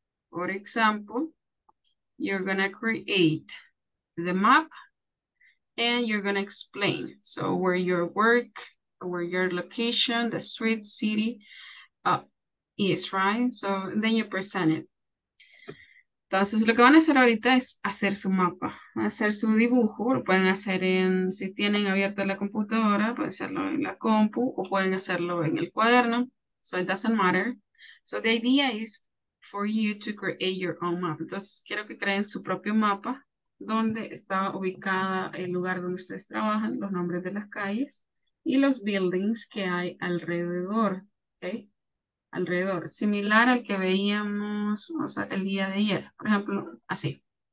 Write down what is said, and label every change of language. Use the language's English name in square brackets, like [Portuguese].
[English] For example, you're gonna create the map and you're gonna explain. So where your work, where your location, the street, city, is, right? So then you present it. [Spanish] Entonces, lo que van a hacer ahorita es hacer su mapa, hacer su dibujo, lo pueden hacer en, si tienen abierta la computadora, pueden hacerlo en la compu, o pueden hacerlo en el cuaderno, [English] so it doesn't matter. So the idea is for you to create your own map. [Spanish] Entonces, quiero que creen su propio mapa, donde está ubicada el lugar donde ustedes trabajan, los nombres de las calles, y los buildings que hay alrededor, okay? Alrededor, similar al que veíamos, o sea, el día de ayer, por ejemplo, así.